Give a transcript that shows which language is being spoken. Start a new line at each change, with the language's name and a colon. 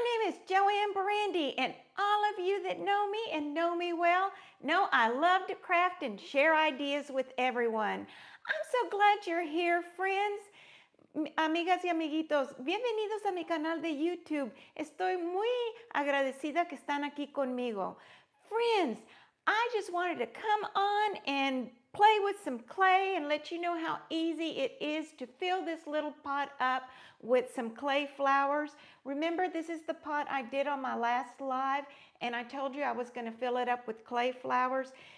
English: is Joanne Brandy, and all of you that know me and know me well know I love to craft and share ideas with everyone. I'm so glad you're here, friends.
Spanish: Amigas y amiguitos, bienvenidos a mi canal de YouTube. Estoy muy agradecida que están aquí conmigo.
English: Friends, I just wanted to come on and play with some clay and let you know how easy it is to fill this little pot up with some clay flowers. Remember, this is the pot I did on my last live, and I told you I was going to fill it up with clay flowers.